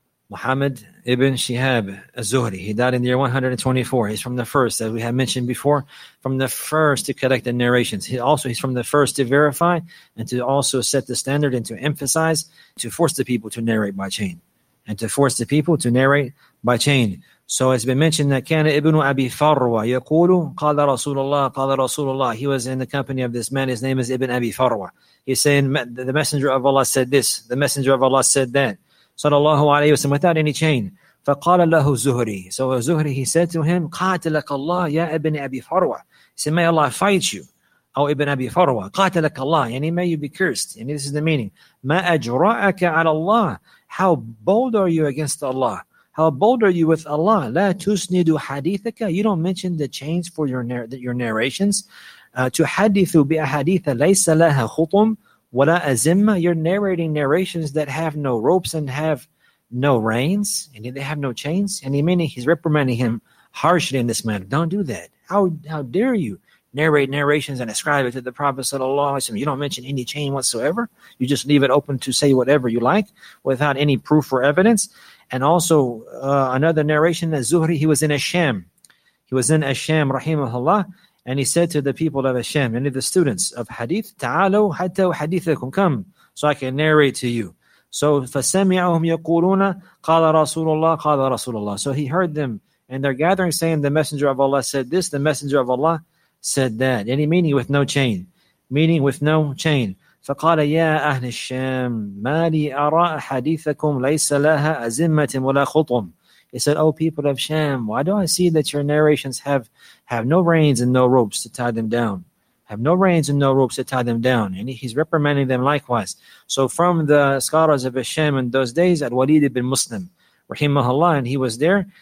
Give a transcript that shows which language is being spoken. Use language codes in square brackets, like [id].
[en] Muhammad ibn Shihab Az-Zuhri. He died in the year 124. He's from the first, as we have mentioned before, from the first to collect the narrations. He's from the first to verify and to also set the standard and to emphasize, to force the people to narrate by chain. And to force the people to narrate by chain. So it's been mentioned that [ar] كان ابن أبي فروة يقول قال رسول الله قال رسول الله. [en] He was in the company of this man. His name is Ibn Abi Farwa. He's saying the Messenger of Allah said this. The Messenger of Allah said that. [ar] صلى الله عليه وسلم, [en] without any chain. [ar] فقال له زهري. So زهري, [en] he said to him, [ar] قاتلك الله يا ابن أبي فروة. [en] He said, may Allah fight you, [ar] أو ابن أبي فروة. قاتلك الله, [en] يعني may you be cursed. يعني this is the meaning. [ar] ما أجرأك على الله. [en] How bold are you against Allah? How bold are you with Allah? [ar] لا تسندوا حديثك. [en] You don't mention the chains for your narrations. [ar] تحدثوا بأحاديث ليس لها خطم ولا أزمة. [en] You're narrating narrations that have no ropes and have no reins, and they have no chains. And meaning he's reprimanding him harshly in this manner. Don't do that. How dare you narrate narrations and ascribe it to the Prophet sallallahu alaihi wasallam? You don't mention any chain whatsoever. You just leave it open to say whatever you like without any proof or evidence. And also another narration that Zuhri, he was in Asham. He was in Asham, rahimahullah. And he said to the people of Asham, any of the students of Hadith, [ar] تعالوا حتى حديثكم, [en] come so I can narrate to you. [ar] So فسمعهم يقولون قال رسول الله قال رسول الله. [en] So he heard them and they're gathering saying the Messenger of Allah said this, the Messenger of Allah said that. Any meaning with no chain. Meaning with no chain. [ar] فقال يا أهل الشام ما لي أرى حديثكم ليس لها أزمة ولا خطم. [en] He said, oh people of Sham, why do I see that your narrations have no reins and no ropes to tie them down? Have no reins and no ropes to tie them down. And he's reprimanding them likewise. So from the scholars of Sham in those days, Al-Walid ibn Muslim, rahimahullah, and he was there.